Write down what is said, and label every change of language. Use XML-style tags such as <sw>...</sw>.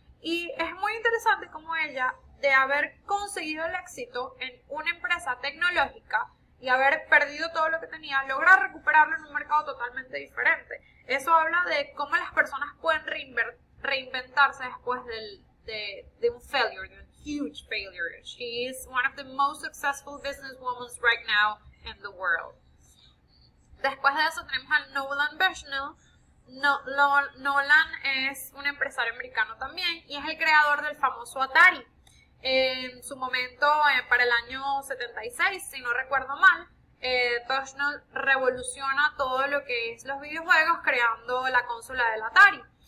<es>Y es muy interesante cómo ella, de haber conseguido el éxito en una empresa tecnológica y haber perdido todo lo que tenía, logra recuperarlo en un mercado totalmente diferente. Eso habla de cómo las personas pueden reinventarse después de un failure, de un</es> <en>huge failure. She is one of the most successful businesswomen right now in the world.</en> <es>Después de eso tenemos a Nolan Bushnell. Nolan es un empresario americano también y es el creador del famoso Atari. En su momento, para el año 76, si no recuerdo mal, Bushnell revoluciona todo lo que es los videojuegos creando la consola del Atari.</es>